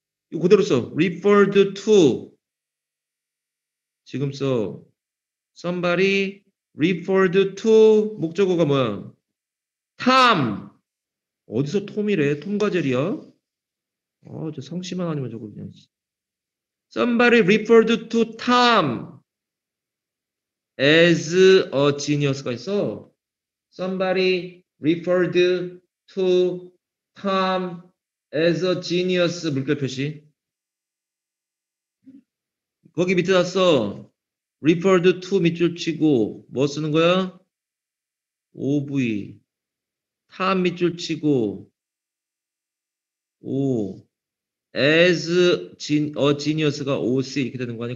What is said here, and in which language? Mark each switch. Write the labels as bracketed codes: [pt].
[ko] 이거 그대로 써. referred to. 지금 써. [en] Somebody referred to. [ko] 목적어가 뭐야? Tom. 어디서 톰이래? 톰과 제리야? 아, 저 성씨만 아니면 저거 그냥. [en] Somebody referred to Tom as a genius가 있어. Somebody referred to Tom as a genius 물결 표시. [ko] 거기 밑에 났어. referred to 밑줄 치고 뭐 쓰는 거야? OV. Tom 밑줄 치고 O. [en] As a genius [ko] 가 OC 이렇게 되는 거 아니야?